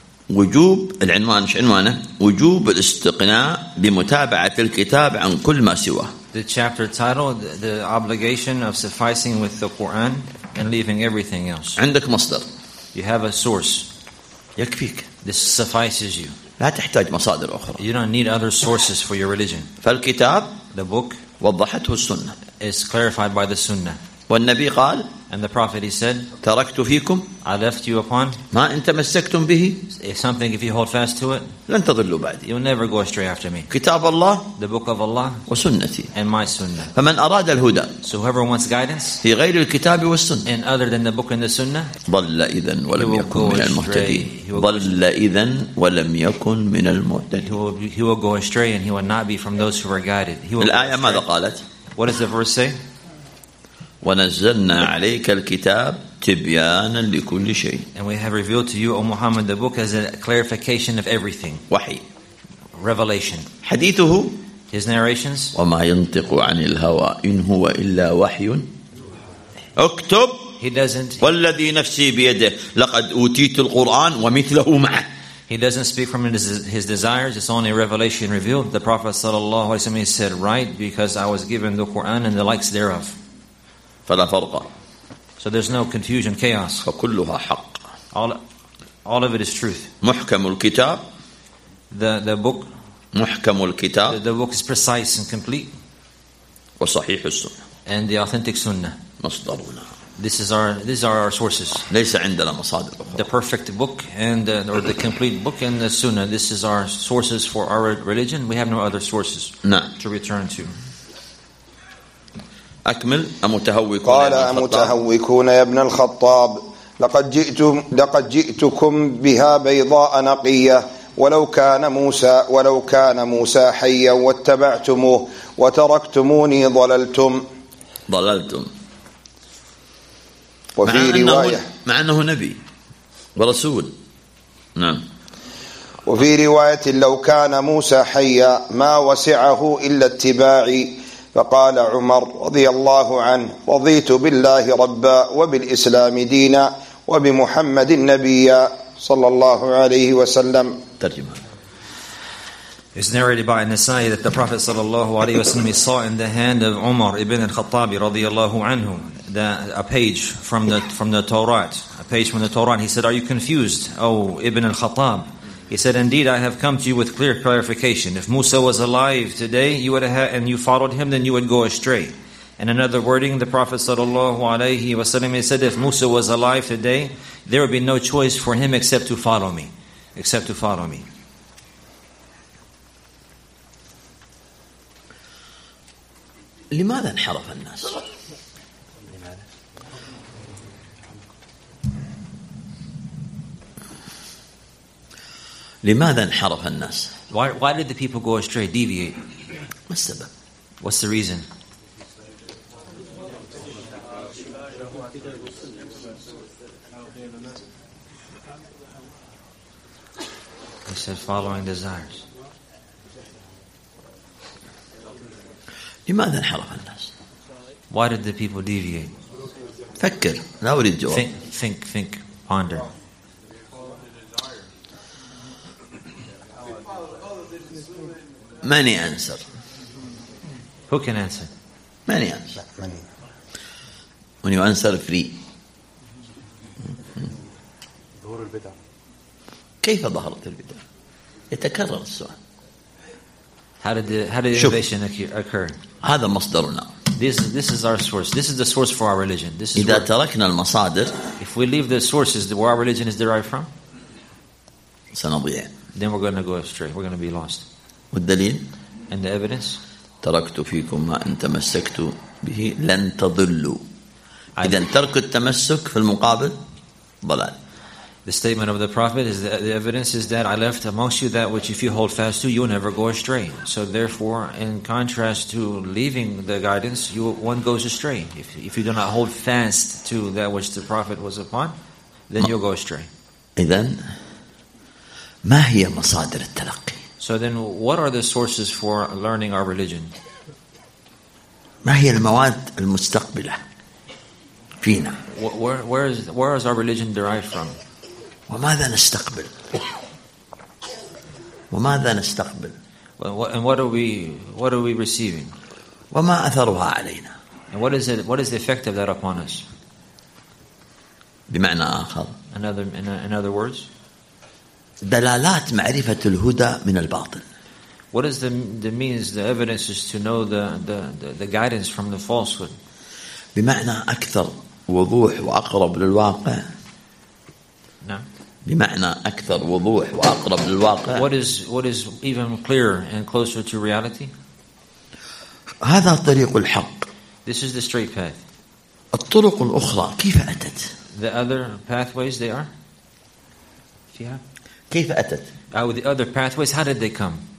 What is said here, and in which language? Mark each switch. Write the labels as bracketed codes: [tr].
[ar] وجوب العنوان، ايش عنوانه؟ وجوب الاستقناء بمتابعة الكتاب عن كل ما سواه. [en] The chapter title: The obligation of sufficing with the Quran and leaving everything else. [ar] عندك مصدر. [en] You have a source. [ar] يكفيك. [en] This suffices you. [ar] لا تحتاج مصادر أخرى. [en] You don't need other sources for your religion. [ar] فالكتاب. [en] The book. [ar] وضحته السنة. [en] Is clarified by the Sunnah. [ar] والنبي قال. [en] And the Prophet, he said, [ar] تركت فيكم. [en] I left you upon. [ar] ما إن تمسكتم به. [en] If something, if you hold fast to it. [ar] لن تضلوا بعد. [en] You'll never go astray after me. [ar] كتاب الله. [en] The book of Allah. [ar] وسنتي. [en] And my Sunnah. [ar] فمن أراد الهدى. [en] So whoever wants guidance. [ar] في غير الكتاب والسنة. [en] And other than the book and the Sunnah. [ar] ضل إذن ولم يكن من المهتدين. ضل إذن ولم يكن من المهتدين. [en] He will go astray and he will not be from those who are guided. [ar] الآية ماذا قالت؟ [en] What does the verse say? [ar] ونزلنا عليك الكتاب تبيانا لكل شيء. [en] And we have revealed to you, O Muhammad, the book as a clarification of everything. [ar] وحي. [en] Revelation. [ar] حديثه. [en] His narrations. [ar] وما ينطق عن الهوى إن هو إلا وحي. اكتب. [en] He doesn't. [ar] والذي نفسي بيده لقد أوتيت القرآن ومثله معه. [en] He doesn't speak from his desires. It's only revelation revealed. The Prophet [ar] صلى الله عليه وسلم [en] said, "Write, because I was given the Quran and the likes thereof." [ar] فلا فرق. [en] So there's no confusion, chaos. [ar] فكلها حق. [en] All of it is truth. [ar] محكم الكتاب. [en] The book. [ar] محكم الكتاب. [en] The book is precise and complete. [ar] وصحيح السنة. [en] And the authentic sunnah. [ar] مصدرنا. [en] These are our sources. [ar] ليس عندنا مصادر أخرى. [en] The perfect book and or the complete book and the sunnah. This is our sources for our religion. We have no other sources. [ar] نعم. [en] To return to. [ar] أكمل. قال: أمتهوكون يا ابن الخطاب؟ لقد جئتكم بها بيضاء نقية، ولو كان موسى حيا واتبعتموه وتركتموني ضللتم. وفي رواية، مع أنه نبي ورسول. نعم. وفي رواية: لو كان موسى حيا ما وسعه إلا اتباعي. فقال عمر رضي الله عنه: رضيت بالله ربا وبالإسلام دينا وبمحمد النبي صلى الله عليه وسلم. ترجمة. [en] It's narrated by Nasa'i that the Prophet [ar] صلى الله عليه وسلم [en] saw in the hand of Umar ibn al-Khattab [ar] رضي الله عنه [en] a page from the Torah. A page from the Torah. He said, "Are you confused, O ibn al-Khattab?" He said, "Indeed, I have come to you with clear clarification. If Musa was alive today, you would have, and you followed him, then you would go astray." And another wording, the Prophet [ar] sallallahu alaihi wasallam [en] said, "If Musa was alive today, there would be no choice for him except to follow me." [ar] لماذا انحرف الناس؟ لماذا انحرف الناس؟ [en] Why did the people go astray, deviate? [ar] ما السبب؟ [en] What's the reason? He said following desires. [ar] لماذا انحرف الناس؟ [en] Why did the people deviate? [ar] فكر. لا أريد جواب. [en] Think, ponder. Many answer. Who can answer? Many answer. Many. When you answer free. [ar] كيف ظهرت البدعة؟ يتكرر السؤال. [en] How did innovation occur? [ar] هذا مصدرنا. [en] This is our source. This is the source for our religion. This is [ar] إذا تركنا المصادر. [en] If we leave the sources where our religion is derived from, [ar] سنضيع. [en] Then we're going to go astray. We're going to be lost. [ar] والدليل. [en] And the evidence. [ar] تركت فيكم ما إن تمسكت به لن تضلوا. إذن ترك التمسك في المقابل ضلال. [en] The statement of the Prophet is that the evidence is that I left amongst you that which if you hold fast to, you will never go astray. So therefore, in contrast to leaving the guidance, one goes astray. If you do not hold fast to that which the Prophet was upon, then you'll go astray. [ar] إذن ما هي مصادر التلقي؟ [en] So then, what are the sources for learning our religion? [ar] ما هي المواد المستقبلة فينا؟ [en] Where is our religion derived from? [ar] وماذا نستقبل؟ وماذا نستقبل؟ [en] And what are we receiving? [ar] وما أثرها علينا؟ [en] And what is the effect of that upon us? [ar] بمعنى آخر. [en] In other words. [ar] دلالات معرفة الهدى من الباطل. [en] What is the means, the evidences to know the guidance from the falsehood? [ar] بمعنى أكثر وضوح وأقرب للواقع. بمعنى أكثر وضوح وأقرب للواقع. [en] What is even clearer and closer to reality? [ar] هذا طريق الحق. [en] This is the straight path. [ar] الطرق الأخرى كيف أتت؟ [en] The other pathways they are. [ar] فيها. كيف أتت؟ [en] The other pathways. How did they come?